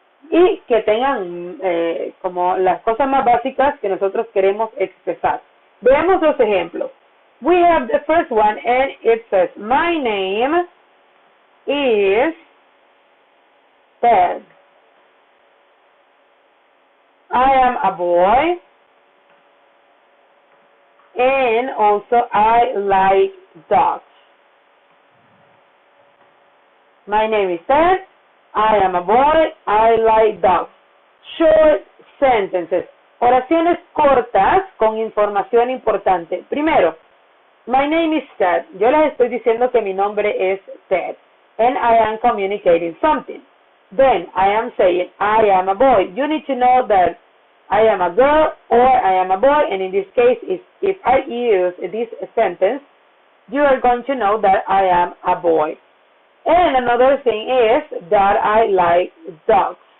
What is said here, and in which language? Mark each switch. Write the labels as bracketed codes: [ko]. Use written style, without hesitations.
[es] Y que tengan como las cosas más básicas que nosotros queremos expresar. Veamos dos ejemplos. [en] We have the first one, and it says, my name is Ted. I am a boy, and also I like dogs. My name is Ted. I am a boy, I like dogs. Short sentences. [es] Oraciones cortas con información importante. Primero, [en] my name is Ted. [es] Yo les estoy diciendo que mi nombre es Ted. [en] And I am communicating something. Then, I am saying, I am a boy. You need to know that I am a girl or I am a boy. And in this case, if I use this sentence, you are going to know that I am a boy. And another thing is that I like dogs.